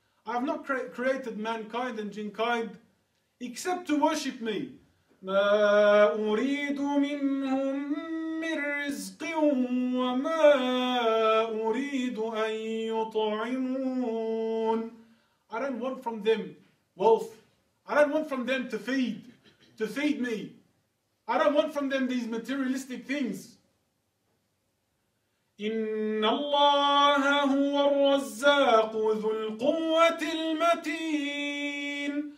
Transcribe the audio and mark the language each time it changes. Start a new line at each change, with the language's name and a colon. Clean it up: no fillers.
English: I have not created mankind and jinkind except to worship me.
Arabic: ما أريد منهم من رزق وما أريد أن يطعمون.
English: I don't want from them wealth. I don't want from them to feed me. I don't want from them these materialistic things.
Arabic: إِنَّ اللَّهَ هُوَ الرَّزَّاقُ ذُو الْقُوَّةِ الْمَتِينَ.